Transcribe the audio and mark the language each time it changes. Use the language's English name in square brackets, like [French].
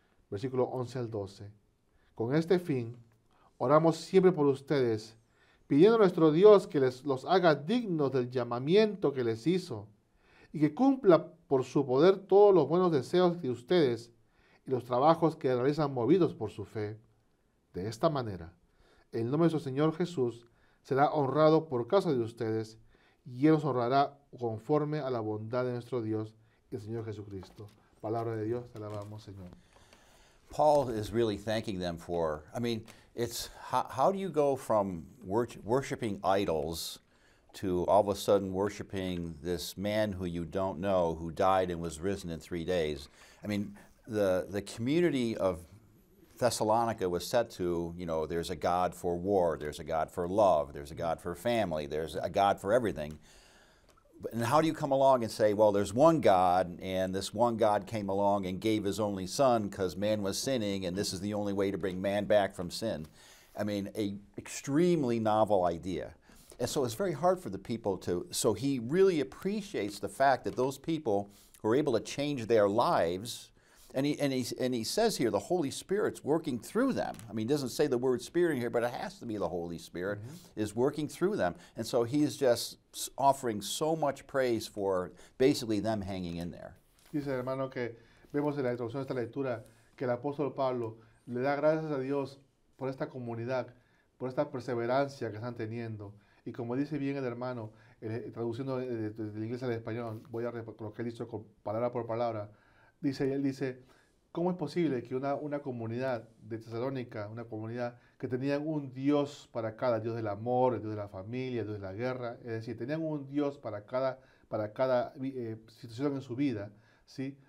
[Spanish] Versículo 11 al 12. Con este fin, oramos siempre por ustedes, pidiendo a nuestro Dios que los haga dignos del llamamiento que les hizo y que cumpla por su poder todos los buenos deseos de ustedes y los trabajos que realizan movidos por su fe. De esta manera, el nombre de su Señor Jesús será honrado por causa de ustedes y Él los honrará conforme a la bondad de nuestro Dios y el Señor Jesucristo. Palabra de Dios, te alabamos, Señor. [English] Paul is really thanking them for, I mean, it's how do you go from worshiping idols to all of a sudden worshiping this man who you don't know who died and was risen in 3 days? I mean, the community of Thessalonica was set to, you know, there's a God for war, there's a God for love, there's a God for family, there's a God for everything. And how do you come along and say, well, there's one God, and this one God came along and gave his only son because man was sinning, and this is the only way to bring man back from sin? I mean, a extremely novel idea. And so it's very hard for the people to, so he really appreciates the fact that those people were able to change their lives. And he says here the Holy Spirit's working through them. I mean, he doesn't say the word Spirit in here, but it has to be the Holy Spirit is working through them. And so he's just offering so much praise for basically them hanging in there. [Spanish] Dice, hermano, que vemos en la introducción de esta lectura que el apóstol Pablo le da gracias a Dios por esta comunidad, por esta perseverancia que están teniendo. Y como dice bien el hermano, traduciendo del inglés al español, voy a lo que él dijo palabra por palabra, dice, él dice, ¿cómo es posible que una comunidad de Tesalónica, una comunidad que tenían un Dios para cada, el Dios del amor, el Dios de la familia, el Dios de la guerra, es decir, tenían un Dios para cada situación en su vida, ¿sí?